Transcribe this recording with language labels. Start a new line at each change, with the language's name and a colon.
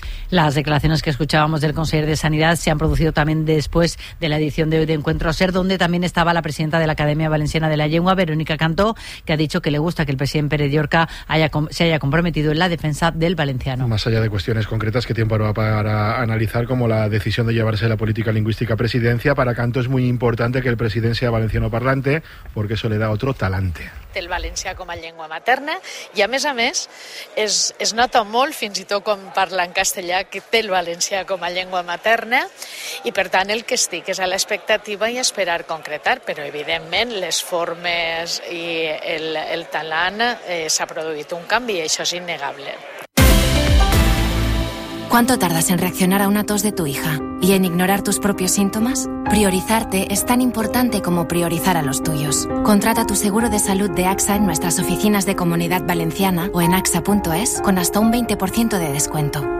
Spanish: Las declaraciones que escuchábamos del conseller de Sanidad se han producido también después de la edición de hoy de Encuentro Ser, donde también estaba la presidenta de la Academia Valenciana de la Lengua, Verónica Cantó, que ha dicho que le gusta que el presidente Pérez Llorca se haya comprometido en la defensa del valenciano. Más allá de cuestiones concretas, ¿qué tiempo habrá para analizar, como la decisión de llevarse la política lingüística a presidencia? Para Cantó es muy importante que el presidente sea valenciano parlante, porque eso le da otro talante.
Catalan: El valencià com a llengua materna i a més es nota molt fins i tot com parla en castellà que té el valencià com a llengua materna i per tant el que estic és a l'expectativa i esperar concretar, però evidentment les formes i el talant s'ha produït un canvi i això és innegable.
Spanish: ¿Cuánto tardas en reaccionar a una tos de tu hija y en ignorar tus propios síntomas? Priorizarte es tan importante como priorizar a los tuyos. Contrata tu seguro de salud de AXA en nuestras oficinas de Comunidad Valenciana o en AXA.es con hasta un 20% de descuento.